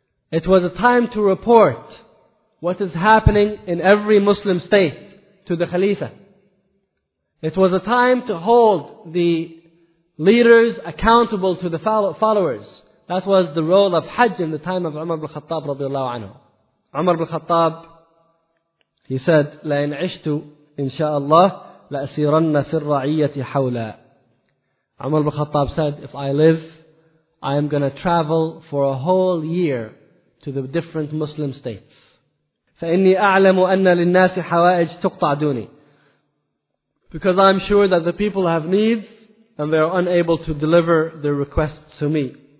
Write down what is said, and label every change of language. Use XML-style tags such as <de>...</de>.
<en>It was a time to report what is happening in every Muslim state to the Khalifa. It was a time to hold the leaders accountable to the followers. That was the role of Hajj in the time of Umar ibn Khattab radiallahu anhu. Umar ibn Khattab, he said,</en> <ar>لَإِنْ عِشْتُ إِنْ شَاءَ اللَّهِ لَأَسِيرَنَّ فِي الرَّعِيَّةِ حَوْلَى.</ar> <en>Umar ibn Khattab said, if I live, I am going to travel for a whole year to the different Muslim states.</en> <ar>فَإِنِّي أَعْلَمُ أَنَّ لِلنَّاسِ حَوَائِجِ تُقْطَعْ دُونِي.</ar> <en>Because I'm sure that the people have needs and they are unable to deliver their requests to me.</en>